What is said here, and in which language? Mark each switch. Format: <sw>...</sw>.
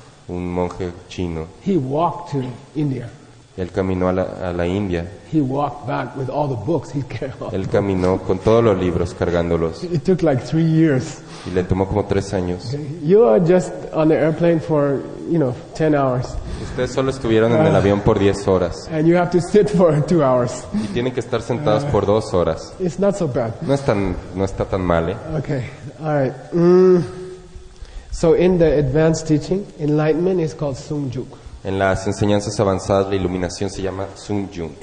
<es>Un monje chino.</es> <en>He walked to India.</en> <es>Él caminó a la India.</es> <en>He walked back with all the books he carried.</en> <es>Él caminó con todos los libros cargándolos.</es> <en>It took like 3 years.</en> <es>Y le tomó como 3 años.</es> <en>Okay. You are just on the airplane for, you know, 10 hours.</en> <es>Ustedes solo estuvieron en el avión por 10 horas.</es> <en>And you have to sit for 2 hours.</en> <es>Y tienen que estar sentados por 2 horas.</es> <en>It's not so bad.</en> <es>No está tan mal, ¿eh?</es> <en>Okay, all right. So in the advanced teaching, enlightenment is called sungjuk.</en> <es>En las enseñanzas avanzadas, la iluminación se llama sungjuk.</es>